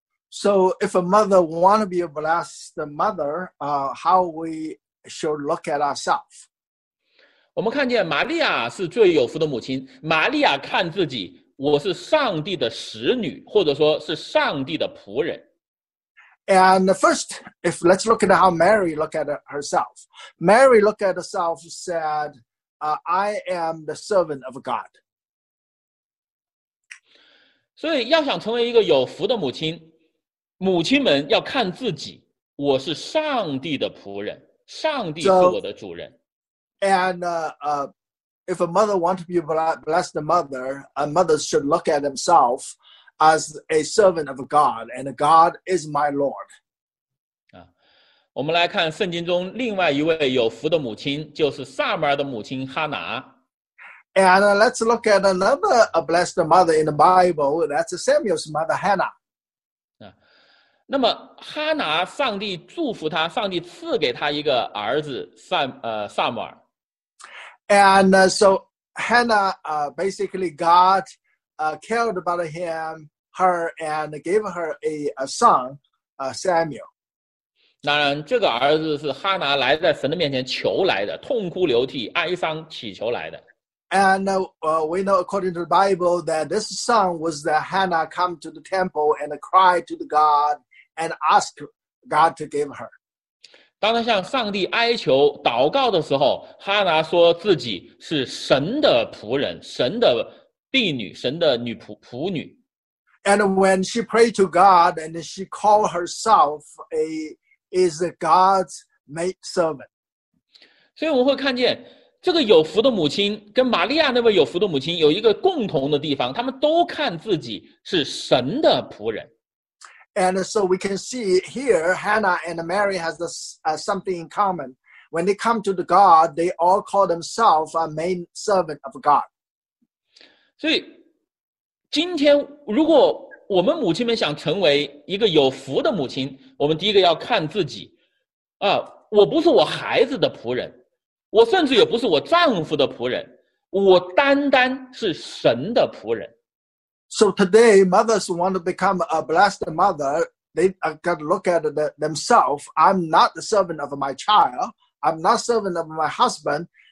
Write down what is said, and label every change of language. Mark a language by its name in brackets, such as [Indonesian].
[English] So if a mother want to be a blessed mother, how we should look at ourselves? [Chinese] 我们看见玛利亚是最有福的母亲，玛利亚看自己，我是上帝的使女，或者说是上帝的仆人。 [English] And first, if let's look at how Mary look at herself. Mary look at herself said, I am the servant of God. [Chinese] 所以要想成为一个有福的母亲，母亲们要看自己，我是上帝的仆人，上帝是我的主人。 [English] And if a mother wants to be blessed mother, a mother should look at himself as a servant of God, and God is my Lord. [Chinese] 我们来看圣经中另外一位有福的母亲，就是撒母耳的母亲哈拿。 [English] And let's look at another blessed mother in the Bible, that's Samuel's mother Hannah. [Chinese] 那么哈拿，上帝祝福她，上帝赐给她一个儿子撒母耳。 [English] And so Hannah, basically God cared about her and gave her a son, Samuel. [Chinese] 当然这个儿子是哈拿来在神的面前求来的，痛哭流涕，哀伤祈求来的。 [English] And we know according to the Bible that this son was that Hannah come to the temple and cried to the God and asked God to give her. [Chinese] 当他向上帝哀求祷告的时候，哈拿说自己是神的仆人，神的婢女，神的女仆女。 [English] And when she prayed to God, and she called herself is God's maid servant. [Chinese] 所以我们会看见这个有福的母亲跟玛利亚那位有福的母亲有一个共同的地方，他们都看自己是神的仆人。 [English] And so we can see here, Hannah and Mary has this, something in common. When they come to the God, they all call themselves a main servant of God. [Chinese] 所以今天如果我们母亲们想成为一个有福的母亲，我们第一个要看自己，我不是我孩子的仆人，我甚至也不是我丈夫的仆人，我单单是神的仆人。 [English] So today, mothers want to become a blessed mother. They got to look at themselves. I'm not the servant of my child. I'm not servant of my husband.